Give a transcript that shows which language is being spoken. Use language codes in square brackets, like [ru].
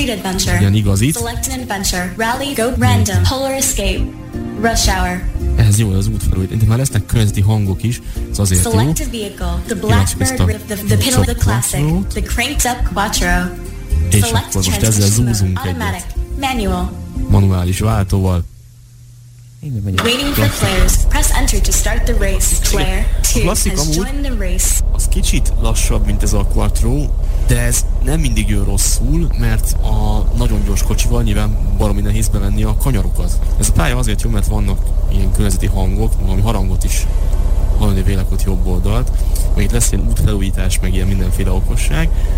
[en] Street Adventure. [hu] Egy ilyen igazit. [en] Select an adventure. Rally. Go. Random. Polar Escape. Rush Hour. [hu] Ez jó, az útfelújt. De már lesznek környezeti hangok is, ez azért jó. [en] Select a vehicle. The Blackbird. The Pinot. The Classic. The Cranked Up Quattro. [hu] És akkor most ezzel zúzunk egyet. [en] Manual. [hu] Manuális váltóval. [en] Waiting for players. Press enter to start the race. Claire 2 has joined the race. [hu] Az kicsit lassabb, mint ez a Quattro, de ez nem mindig jön rosszul, mert a nagyon gyors kocsival nyilván baromi nehéz bevenni a kanyarokat. Ez a pálya azért jó, mert vannak ilyen környezeti hangok, valami harangot is hallani vélek ott jobb oldalt. Még itt lesz ilyen útfelújítás, meg ilyen mindenféle okosság.